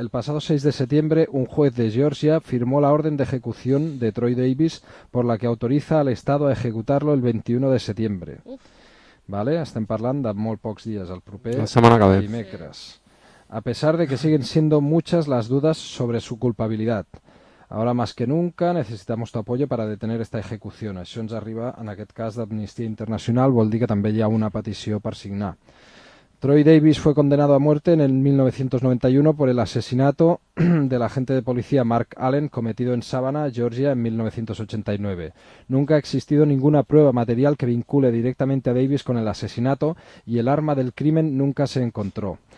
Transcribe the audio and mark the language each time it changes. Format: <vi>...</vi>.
<es>El pasado 6 de septiembre, un juez de Georgia firmó la orden de ejecución de Troy Davis, por la que autoriza al Estado a ejecutarlo el 21 de septiembre.</es> <ca>Vale, estem parlant de molt pocs dies, el proper dimecres. Sí.</ca> <es>A pesar de que siguen siendo muchas las dudas sobre su culpabilidad. Ahora más que nunca necesitamos tu apoyo para detener esta ejecución.</es> <ca>Això ens arriba en aquest cas d'Amnistia Internacional, vol dir que també hi ha una petició per signar.</ca> <es>Troy Davis fue condenado a muerte en el 1991 por el asesinato del agente de policía Mark Allen cometido en Savannah, Georgia, en 1989. Nunca ha existido ninguna prueba material que vincule directamente a Davis con el asesinato y el arma del crimen nunca se encontró.</es>